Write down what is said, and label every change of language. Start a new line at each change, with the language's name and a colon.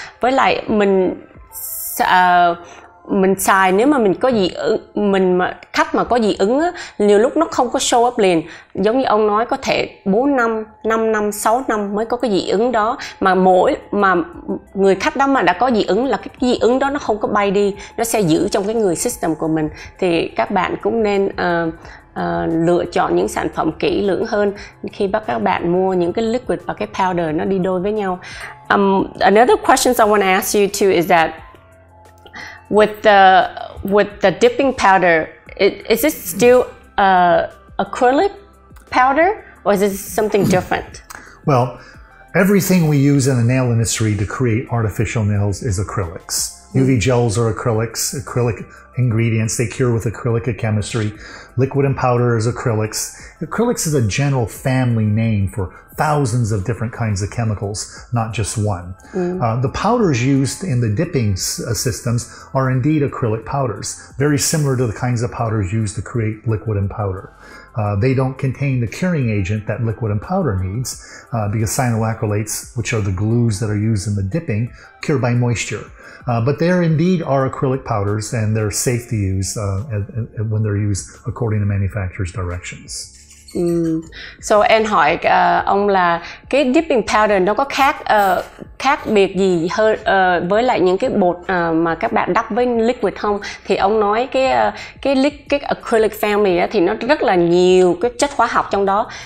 Vietnamese: Với lại mình xài, nếu mà mình có dị ứng, mình mà khách mà có dị ứng á, nhiều lúc nó không có
English: show up
Vietnamese: liền, giống như ông nói có thể 4 năm, 5 năm, 6 năm mới có cái dị ứng đó, mà người khách đó mà đã có dị ứng là cái dị ứng đó nó không có bay đi, nó sẽ giữ trong cái người system của mình. Thì các bạn cũng nên lựa chọn những sản phẩm kỹ lưỡng hơn khi bắt các bạn mua những cái liquid và cái powder nó đi đôi với nhau.
English: Another questions I want to ask you too is that With the dipping powder, is it still acrylic powder, or is it something different? Well, everything we use in the nail industry to create artificial nails is acrylics. UV gels are acrylics, acrylic ingredients, they cure with acrylic chemistry. Liquid and powder is acrylics. Acrylics is a general family name for thousands of different kinds of chemicals, not just one. Mm. The powders used in the dipping systems are indeed acrylic powders, very similar to the kinds of powders used to create liquid and powder. They don't contain the curing agent that liquid and powder needs, because cyanoacrylates, which are the glues that are used in the dipping, cure by moisture. But there indeed are acrylic powders, and they're safe to use when they're used according to manufacturer's directions.
Vietnamese: So em hỏi ông là cái dipping powder nó có khác biệt gì hơn với lại những cái bột mà các bạn đắp với liquid không? Thì ông nói cái acrylic family thì nó rất là nhiều cái chất hóa học trong đó.